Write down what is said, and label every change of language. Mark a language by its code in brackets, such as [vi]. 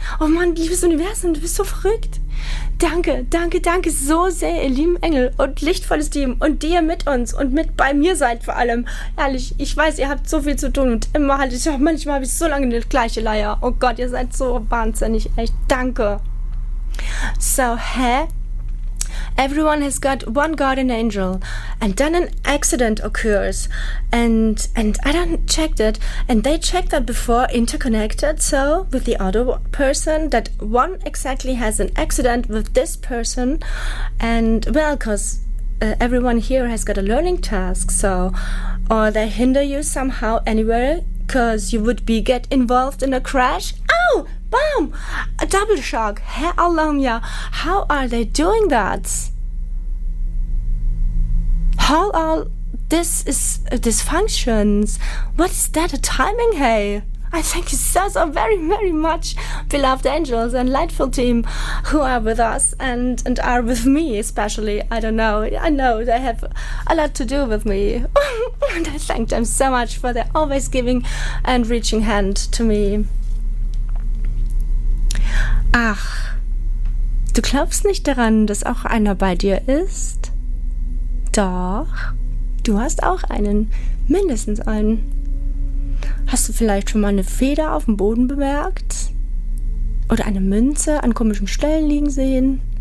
[de] Oh Mann, liebes Universum, du bist so verrückt. Danke, danke, danke so sehr, ihr lieben Engel und lichtvolles Team und die ihr mit uns und mit bei mir seid vor allem. Ehrlich, ich weiß, ihr habt so viel zu tun und immer halt, manchmal habe ich so lange die gleiche Leier. Oh Gott, ihr seid so wahnsinnig, echt, danke. So, hä? [en] Everyone has got one guardian angel and then an accident occurs and I don't checked it and they checked that before interconnected so with the other person that one exactly has an accident with this person and well because everyone here has got a learning task so or they hinder you somehow anywhere because you would be get involved in a crash. Oh! Boom! A double shock. Hey, Alamya, how are they doing that? How all this is dysfunctions? What is that a timing, hey? I thank you so, so very, very much, beloved angels and lightful team who are with us and are with me especially. I don't know. I know they have a lot to do with me. And I thank them so much for their always giving and reaching hand to me. [de] Ach, du glaubst nicht daran, dass auch einer bei dir ist? Doch, du hast auch einen, mindestens einen. Hast du vielleicht schon mal eine Feder auf dem Boden bemerkt? Oder eine Münze an komischen Stellen liegen sehen?